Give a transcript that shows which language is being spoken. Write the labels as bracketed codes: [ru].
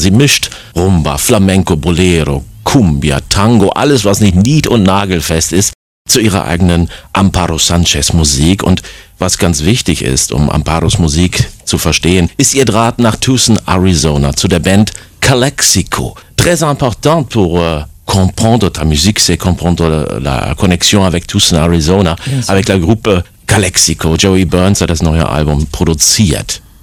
[de] Sie mischt Rumba, Flamenco, Bolero, Cumbia, Tango, alles, was nicht nied- und nagelfest ist, zu ihrer eigenen Amparo Sanchez Musik. Und was ganz wichtig ist, um Amparos Musik zu verstehen, ist ihr Draht nach Tucson, Arizona, zu der Band Calexico. [fr] Très important pour comprendre ta musique, c'est comprendre la connexion avec Tucson, Arizona, yes, avec la groupe Calexico. [de] Joey Burns hat das neue Album produziert.